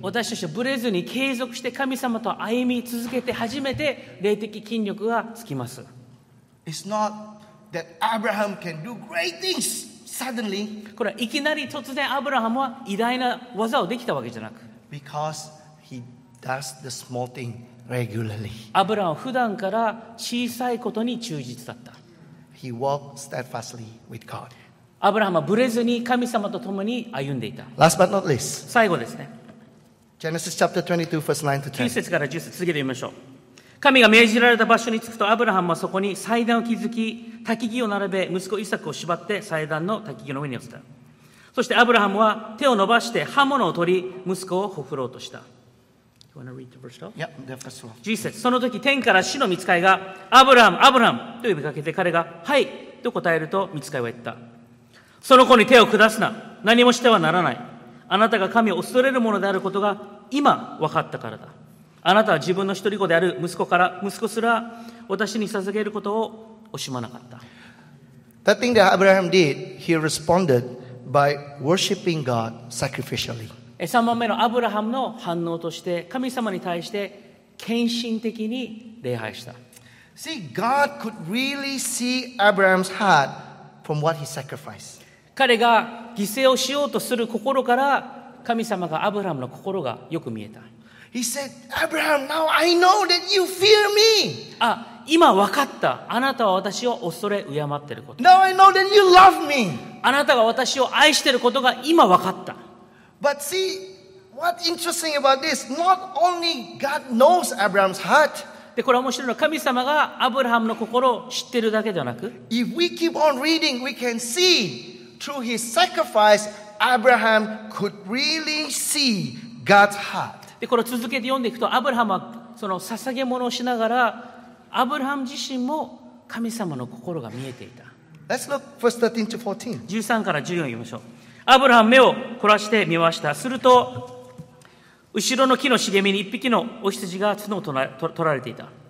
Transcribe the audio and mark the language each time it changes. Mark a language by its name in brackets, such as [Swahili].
[Japanese] 私たちはブレずに継続して神様と歩み続けて初めて霊的筋力がつきます。 [English] It's not that Abraham can do great things suddenly. [Japanese] これはいきなり突然アブラハムは偉大な技をできたわけじゃなく、 [English] Because he does the small thing regularly. [Japanese] アブラハムは普段から小さいことに忠実だった。 [English] He walked steadfastly with God. [Japanese] アブラハムはブレずに神様と共に歩んでいた。 [English] Last but not least. [Japanese] 最後ですね。 [English] Genesis chapter 22, verse 9 to 10. [Japanese] 9節から10節、続けてみましょう。神が命じられた場所に着くと、アブラハムはそこに祭壇を築き、焚き木を並べ、息子イサクを縛って祭壇の焚き木の上に寄せた。そしてアブラハムは手を伸ばして刃物を取り、息子をほふろうとした。 [English] You want to read the verse though? Yeah, the first one. [Japanese] 10節、その時天から死の御使いが、アブラハム、アブラハムと呼びかけて、彼が、はいと答えると御使いは言った。その子に手を下すな。何もしてはならない。あなたが神を恐れるものであることが今分かったからだ。あなたは自分の一人子である息子から、息子すら私に捧げることを惜しまなかった。 [English] That thing that Abraham did, he responded by worshiping God sacrificially. [Japanese] 3番目のアブラハムの反応として、神様に対して献身的に礼拝した。 [English] See, God could really see Abraham's heart from what he sacrificed. [Japanese] 彼が犠牲をしようとする心から神様がアブラハムの心がよく見えた。 [English] He said, Abraham, now I know that you fear me. [Japanese] あ、今分かった。あなたは私を恐れ敬っていること。 [English] Now I know that you love me. [Japanese] あなたが私を愛していることが今分かった。 [English] But see, what's interesting about this, not only God knows Abraham's heart. [Japanese] でこれ面白いのは神様がアブラハムの心を知ってるだけではなく [English] If we keep on reading, we can see through his sacrifice, Abraham could really see God's heart. [Japanese] でこれを続けて読んでいくとアブラハムはその捧げ物をしながらアブラハム自身も神様の心が見えていた。 [English] Let's look verse 13 to 14. [Japanese] 13から14を読みましょう。アブラハム目を凝らして見ました。すると後ろの木の茂みに一匹のお羊が角を取られていた。